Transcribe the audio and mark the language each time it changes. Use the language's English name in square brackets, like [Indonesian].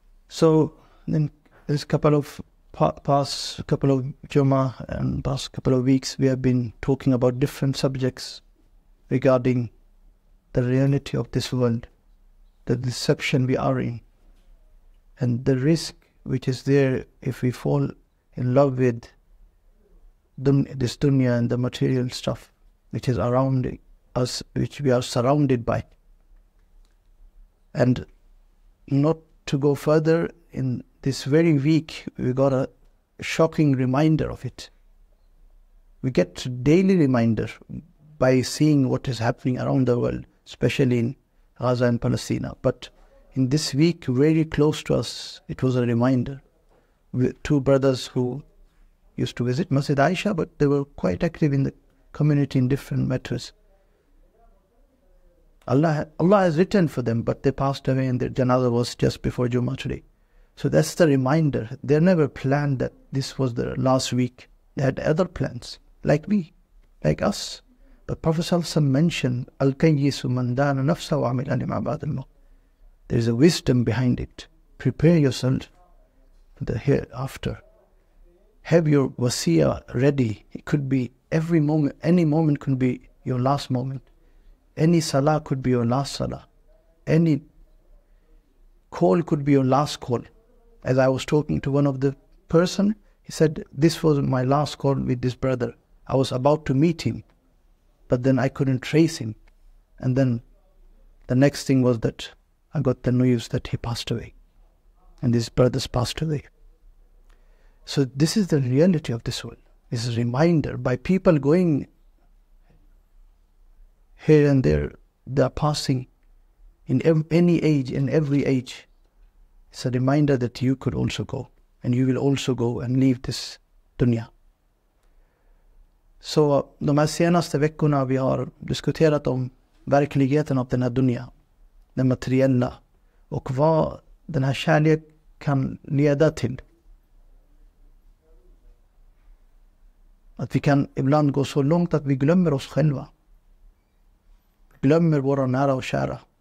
[English] So then as couple of past couple of جمعہ and past couple of weeks we have been talking about different subjects regarding the reality of this world, the deception we are in, and the risk which is there if we fall in love with this dunya and the material stuff which is around us, which we are surrounded by. And not to go further, in this very week we got a shocking reminder of it. We get daily reminder by seeing what is happening around the world, especially in Gaza and Palestine, but in this week, very close to us, it was a reminder. Two brothers who used to visit Masjid Aisha, but they were quite active in the community in different matters. Allah has written for them, but they passed away and their janazah was just before Jummah today. So that's the reminder. They never planned that this was their last week. They had other plans, like me, like us. But Prophet ﷺ mentioned, [Arabic] أَلْكَيِّسُ مَنْ دَانَ نَفْسَ وَعَمِلَ لِمَا بَعْدَ الْمَوْتِ. [English] There is a wisdom behind it. Prepare yourself for the hereafter. Have your wasiyah ready. It could be every moment, any moment could be your last moment. Any salah could be your last salah. Any call could be your last call. As I was talking to one of the person, he said, this was my last call with this brother. I was about to meet him, but then I couldn't trace him. And then the next thing was that I got the news that he passed away and his brothers passed away. So this is the reality of this world. This is a reminder by people going here and there. They are passing in any age, in every age. It's a reminder that you could also go and you will also go and leave this dunya. [Swedish] So de här senaste veckorna vi har diskuterat om verkligheten av den här dunya, den materiella, och vad den här kärleken kan leda till. Att vi kan ibland gå så långt att vi glömmer oss själva. Glömmer våra nära och kära.